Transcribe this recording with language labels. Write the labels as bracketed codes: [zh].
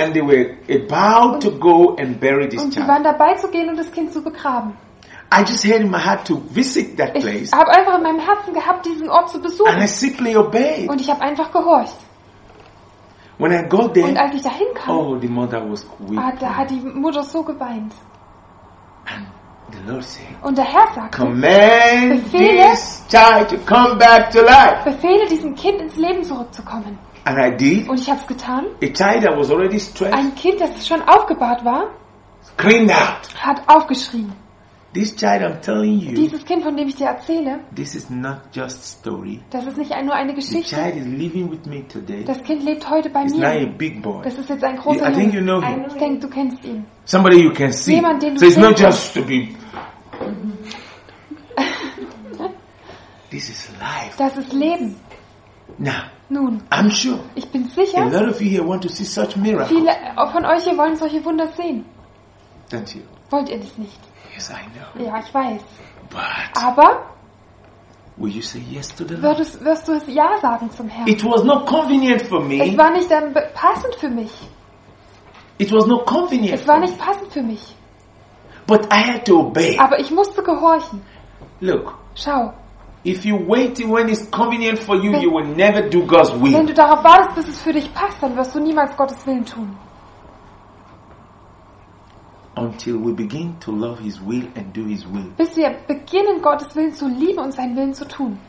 [en] And they were about to go and bury this [de] und [en] child. [de] Und sie waren dabei zu gehen, um das Kind zu begraben. [en] I just had in my heart to visit that [de] ich [en] place. [de] Ich habe einfach in meinem Herzen gehabt, diesen Ort zu besuchen. [en] And I simply obeyed. [de] Und ich habe einfach gehorcht. [en] When I got there. [de] Und als ich dahin kam. [en] Oh, the mother was weeping. [de] Ah, da hat die Mutter so geweint. [en] And the Lord said, [de] und der Herr sagt, [en] command this child to come back to life. [de] Befehle diesem Kind ins Leben zurückzukommen. [en] And I did. [de] Und ich habe es getan. [en] A child that was already stressed. [de] Ein Kind, das schon aufgebahrt war, [en] screamed out. [de] Hat aufgeschrien. [en] This child, I'm telling you, [de] dieses Kind, von dem ich dir erzähle, [en] this is not just story. [de] Das ist nicht nur eine Geschichte. [en] The child is living with me today. [de] Das Kind lebt heute bei [en] It's [de] mir. [en] Not a big boy. [de] Das ist jetzt ein großer Junge. [en] Think you know him. [de] Ich denke, du kennst ihn. [en] Somebody you can see. [de] Jemand, den du [en] so [de] kennst. [en] It's not just to be. This is life. [de] Das ist Leben. [en] Now, [de] nun, [en] I'm sure. [de] Ich bin sicher. [en] A lot of you here want to see such miracles. [de] Viele von euch hier wollen solche Wunder sehen. [en] don't you? [de] Wollt ihr das nicht? [en] Yes, I know. [de] Ja, ich weiß. [en] But [de] aber [en] will you say yes to the [de] Lord? Wirst du es ja sagen zum Herrn? [en] It was not convenient for me. [de] Es war nicht passend für mich. [en] It was not convenient. [de] Es war nicht passend für mich. [en] But I had to obey. [de] Aber ich musste gehorchen. [en] Look. [de] Schau. [en] If you wait when it's convenient for you, you will never do God's will. [de] Wenn du darauf wartest, bis es für dich passt, dann wirst du niemals Gottes Willen tun. [en] Until we begin to love His will and do His will. [de] Bis wir beginnen, Gottes Willen zu lieben und seinen Willen zu tun.